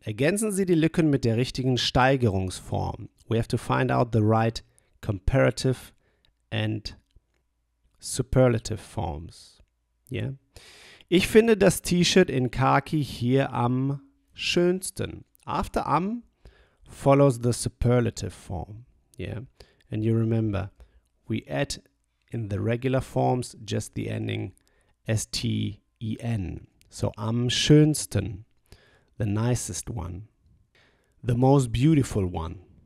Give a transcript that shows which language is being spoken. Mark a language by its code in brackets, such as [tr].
[de] Ergänzen Sie die Lücken mit der richtigen Steigerungsform. [en] We have to find out the right comparative and superlative forms. Yeah? [de] Ich finde das T-Shirt in Khaki hier am schönsten. [en] After am follows the superlative form. Yeah? And you remember, we add in the regular forms just the ending S-T-E-N. So [de] am schönsten, [en] the nicest one, the most beautiful one.